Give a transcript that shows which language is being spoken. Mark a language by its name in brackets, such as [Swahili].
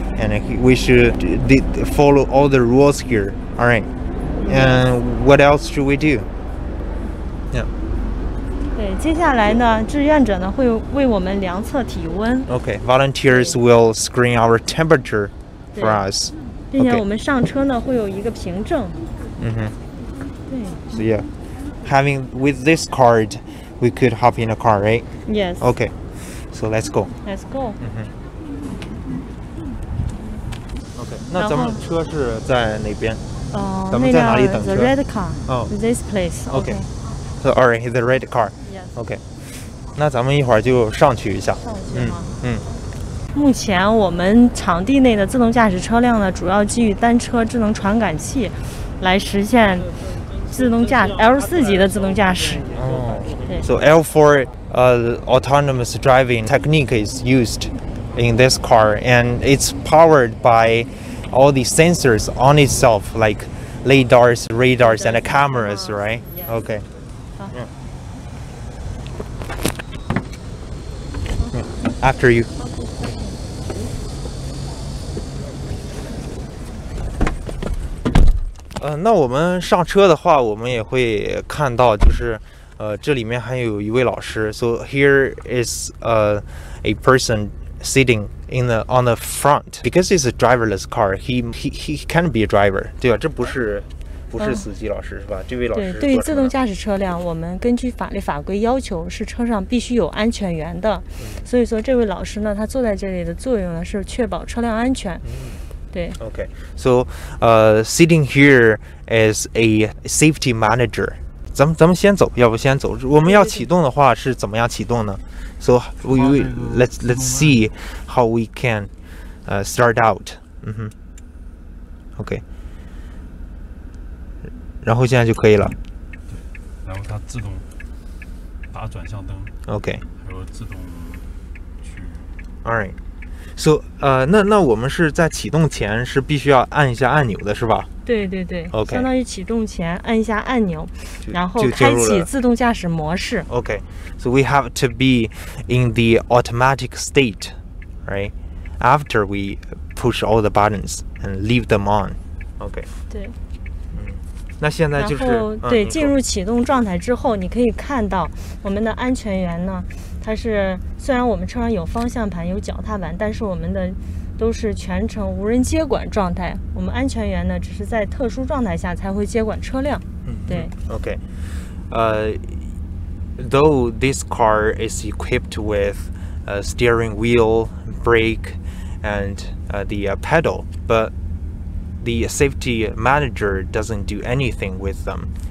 [English] And we should follow all the rules here. All right. And what else should we do? Yeah. [Chinese] 对，接下来呢，志愿者呢会为我们量测体温。 [English] Okay, volunteers will screen our temperature for us. [Chinese] 并且我们上车呢会有一个凭证。对。 [English] So yeah, having with this card, we could hop in a car, right? Yes. Okay, so let's go. Let's go. [Chinese] Okay, 那咱们车是在哪边？咱们在哪里等车 [English] ？The red car. This place. Okay. So all right, the red car. [Chinese] OK, 那咱们一会儿就上去一下。上去吗？目前我们场地内的自动驾驶车辆呢，主要基于单车智能传感器来实现自动驾驶 L4 级的自动驾驶。 [English] So L4 autonomous driving technique is used in this car, and it's powered by all the sensors on itself, like lidars, radars, and cameras, right? OK. After you. [Chinese] 那我们上车的话，我们也会看到，就是，这里面还有一位老师。 [English] So here is a person sitting in the on the front. Because it's a driverless car, he can be a driver. [Chinese] 对吧？这不是。不是司机老师是吧？这位老师对，对于自动驾驶车辆，我们根据法律法规要求是车上必须有安全员的，所以说这位老师呢，他坐在这里的作用呢是确保车辆安全。对。 [English] Okay, so, sitting here is a safety manager. [Chinese] 咱们先走，要不先走？我们要启动的话是怎么样启动呢 ？ [English] So we let's see how we can, start out. Okay. [Chinese] 然后现在就可以了。对，然后它自动打转向灯。 [English] OK。 [Chinese] 还有自动去。 [English] All right. [Chinese] So, 那我们是在启动前是必须要按一下按钮的，是吧？对对对。 [English] OK。 [Chinese] 相当于启动前按一下按钮，然后开启自动驾驶模式。 [English] OK. So we have to be in the automatic state, right? After we push all the buttons and leave them on. OK. [Chinese] 对。那现在就是，然后对，进入启动状态之后，你可以看到我们的安全员呢，它是虽然我们车上有方向盘有脚踏板，但是我们的都是全程无人接管状态，我们安全员呢只是在特殊状态下才会接管车辆。对。 [English] OK， though this car is equipped with a steering wheel, brake, and the pedal, but the safety manager doesn't do anything with them.